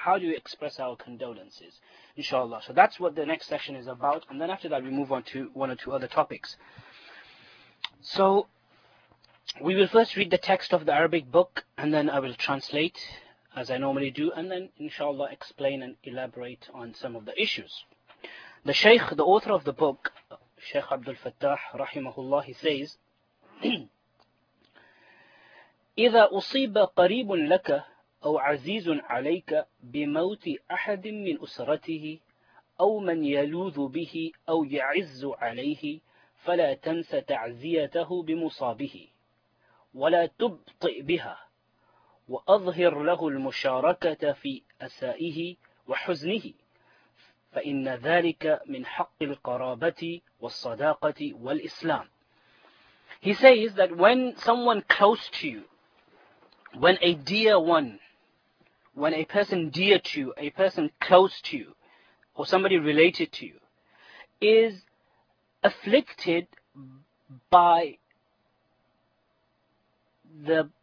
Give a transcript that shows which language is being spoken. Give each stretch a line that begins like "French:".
English: How do you express our condolences, inshallah? So that's what the next session is about, and then after that we move on to one or two other topics. So we will first read the text of the Arabic book, and then I will translate as I normally do, and then inshallah explain and elaborate on some of the issues. The Shaykh, the author of the book, Shaykh Abdul Fattah rahimahullah, he says,
Arabic: إذا أصيب قريب لك أو عزيز عليك بموت أحد من أسرته أو من يلوذ به أو يعز عليه فلا تنس تعزيته بمصابه ولا تبطئ بها وأظهر له المشاركة في أسائه وحزنه فإن ذلك من حق القرابة والصداقة والإسلام.
English: He says that when someone close to you, when a dear one, when a person dear to you, a person close to you, or somebody related to you, is afflicted by the